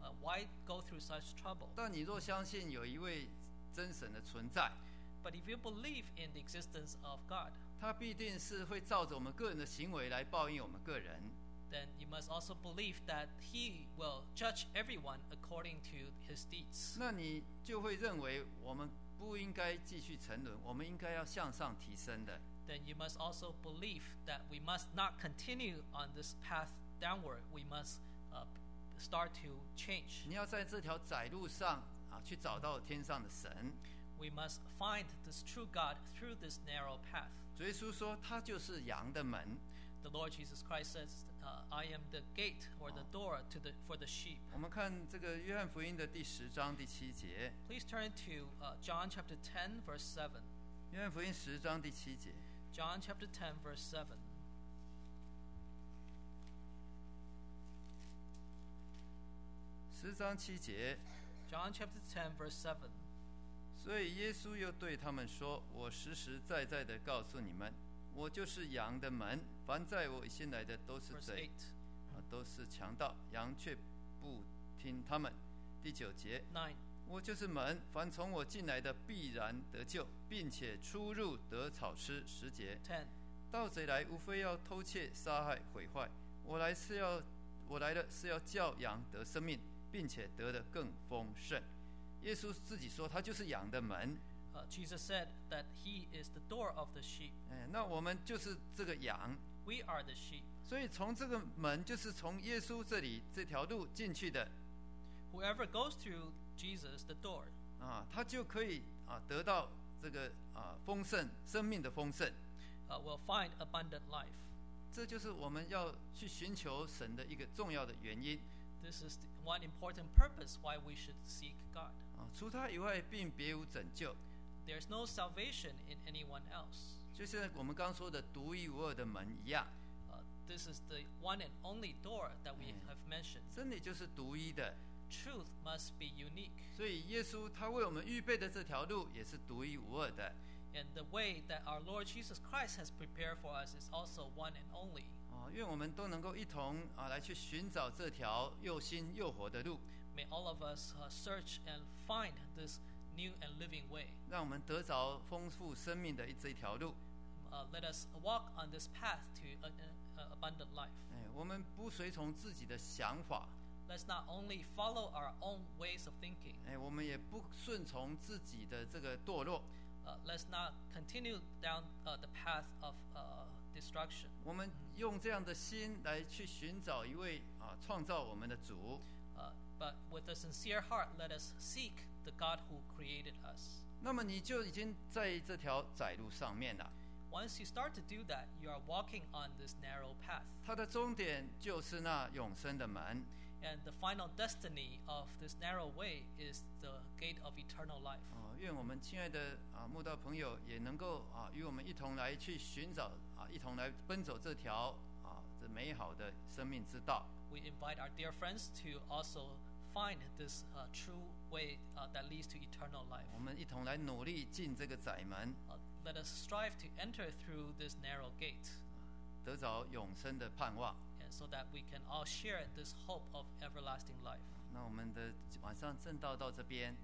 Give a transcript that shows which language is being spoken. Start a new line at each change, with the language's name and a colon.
English: Why go through such trouble?
Chinese: 但你若相信有一位真神的存在，
English: But if you believe in the existence of God,
Chinese: 他必定是会照着我们个人的行为来报应我们个人。
English: Then you must also believe that he will judge everyone according to his deeds.
Chinese: 那你就会认为我们不应该继续沉沦，我们应该要向上提升的。
English: Then you must also believe that we must not continue on this path downward. We must start to change.
Chinese: 你要在这条窄路上啊，去找到天上的神。
English: We must find this true God through this narrow path.
Chinese: 主耶稣说，他就是羊的门。
English: The Lord Jesus Christ says, "I am the gate or the door to the for the sheep."
Chinese: 我们看这个约翰福音的第十章第七节。
English: Please turn to John chapter 10, verse 7.
Chinese: 约翰福音十章第七节。
English: John chapter 10 verse 7。
Chinese: 十章七节。
English: John chapter 10 verse 7。
Chinese: 所以耶稣又对他们说：“我实实在在的告诉你们，我就是羊的门。凡在我先来的都是贼，都是强盗，羊却不听他们。” 第九节。我就是门，凡从我进来的必然得救，并且出入得草吃。十节。
English: 10.
Chinese: 盗贼来，无非要偷窃、杀害、毁坏。我来的是要叫羊得生命，并且得的更丰盛。耶稣自己说，他就是羊的门。
English: Jesus said that he is the door of the sheep.
Chinese: 哎，那我们就是这个羊。
English: We are the sheep.
Chinese: 所以从这个门，就是从耶稣这里这条路进去的。
English: Whoever goes through Jesus, the door.
Chinese: 啊，他就可以啊得到这个啊丰盛生命的丰盛。
English: Will find abundant life.
Chinese: 这就是我们要去寻求神的一个重要的原因。
English: This is one important purpose why we should seek God.
Chinese: 啊，除他以外，并别无拯救。
English: There's no salvation in anyone else.
Chinese: 就像我们刚说的独一无二的门一样。
English: This is the one and only door that we have mentioned.
Chinese: 真理就是独一的。
English: Truth must be unique.
Chinese: 所以耶稣他为我们预备的这条路也是独一无二的。
English: And the way that our Lord Jesus Christ has prepared for us is also one and only.
Chinese: 哦，愿我们都能够一同啊来去寻找这条又新又活的路。
English: May all of us search and find this new and living way.
Chinese: 让我们得着丰富生命的这一条路。
English: Let us walk on this path to an abundant life.
Chinese: 哎，我们不随从自己的想法。
English: Let's not only follow our own ways of thinking.
Chinese: 哎，我们也不顺从自己的这个堕落。
English: Let's not continue down the path of destruction.
Chinese: 我们用这样的心来去寻找一位啊创造我们的主。
English: But with a sincere heart, let us seek the God who created us.
Chinese: 那么你就已经在这条窄路上面了。
English: Once you start to do that, you are walking on this narrow path.
Chinese: 它的终点就是那永生的门。
English: And the final destiny of this narrow way is the gate of eternal life.
Chinese: 哦，愿我们亲爱的啊慕道朋友也能够啊与我们一同来去寻找啊一同来奔走这条啊这美好的生命之道。
English: We invite our dear friends to also find this true way that leads to eternal life.
Chinese: 我们一同来努力进这个窄门。
English: Let us strive to enter through this narrow gate.
Chinese: 得着永生的盼望。
English: So that we can all share this hope of everlasting life.
Chinese: 那我们的晚上正道到这边。